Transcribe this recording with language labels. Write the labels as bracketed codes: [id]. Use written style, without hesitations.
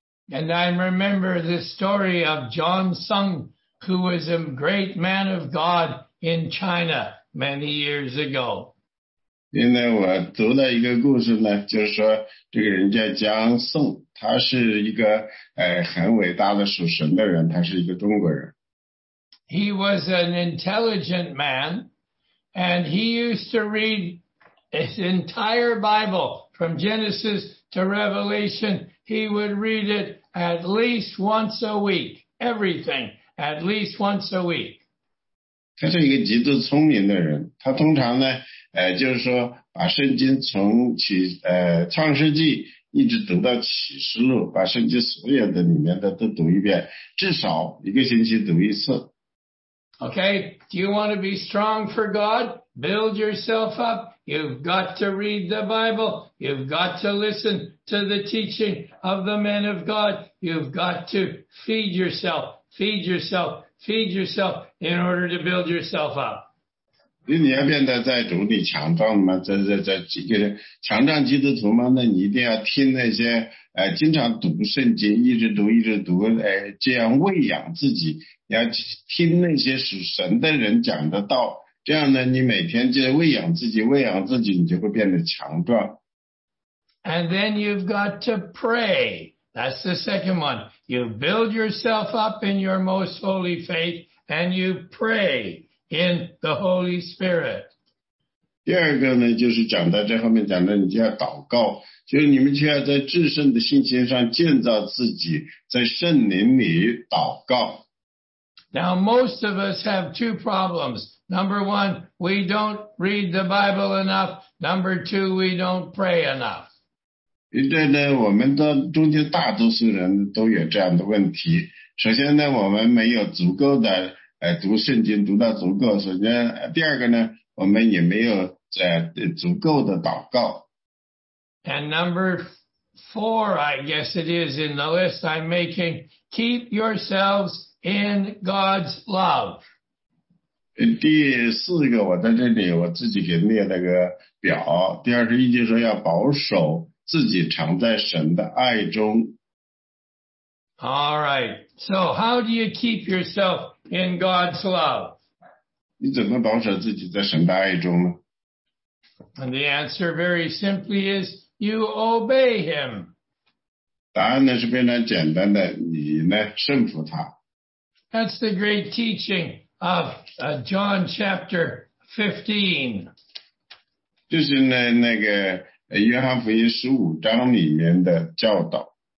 [en] And I remember the story of John Sung, who was a great man of God in China many years ago. [zh] 因为我读了一个故事呢，就是说这个人叫江颂，他是一个很伟大的属神的人，他是一个中国人。 [en] He was an intelligent man, and he used to read his entire Bible from Genesis to Revelation. He would read it at least once a week, everything, at least once a week. [zh] 他是一个极度聪明的人，他通常呢就是说把圣经从创世纪一直读到启示录，把圣经所有的里面的都读一遍，至少一个星期读一次。 [en] Okay, do you want to be strong for God? Build yourself up. You've got to read the Bible. You've got to listen to the teaching of the men of God. You've got to feed yourself, feed yourself, feed yourself in order to build yourself up. [zh] 你要变得在主里强壮吗？这几个人强壮基督徒吗？那你一定要听那些经常读圣经，一直读一直读，这样喂养自己。要听那些属神的人讲的道，这样呢，你每天就喂养自己，喂养自己，你就会变得强壮。 [en] And then you've got to pray. That's the second one. You build yourself up in your most holy faith, and you pray in the Holy Spirit. [zh] 第二个呢，就是讲到这后面讲的，你就要祷告，就是你们就要在至圣的信心上建造自己，在圣灵里祷告。 [en] Now, most of us have two problems. Number one, we don't read the Bible enough. Number two, we don't pray enough. [zh] 对呢，我们的中间大多数人都有这样的问题。首先呢，我们没有足够的读圣经读到足够。首先，第二个呢，我们也没有足够的祷告。 [en] And number four, I guess it is in the list I'm making, keep yourselves in God's love. [zh] 第四个我在这里我自己给列了个表，第二十一节说要保守自己常在神的爱中。 [en] All right. So how do you keep yourself in God's love? [zh] 你怎么保守自己在神的爱中呢？ [en] And the answer very simply is you obey him. [zh] 答案呢是非常简单的，你呢顺服他。 [en] That's the great teaching of John chapter 15. [zh] 这是那个约翰福音十五章里面的教导。